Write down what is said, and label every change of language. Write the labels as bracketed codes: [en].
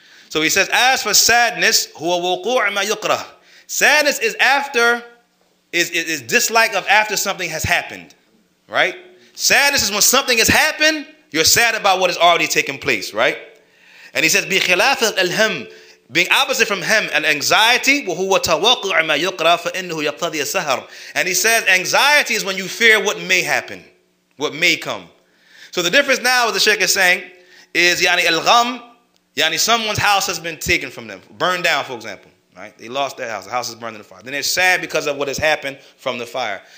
[en] So he says, as for sadness, [ar] huwa wuqu' ma yukrah. [en] Sadness is after, is dislike of after something has happened, right? Sadness is when something has happened, you're sad about what has already taken place, right? And he says, [ar] bi khilaf al-hamm. [en] Being opposite from him, an anxiety, [ar] وَهُوَ تَوَقُعَ مَا يُقْرَى فَإِنَّهُ يَقْتَضِي السَّهَرِ. [en] And he says, anxiety is when you fear what may happen, what may come. So the difference now, what the Sheikh is saying, is [ar] يعني الغم, [en] يعني someone's house has been taken from them, burned down, for example. Right? They lost their house, the house is burned in the fire. Then they're sad because of what has happened from the fire.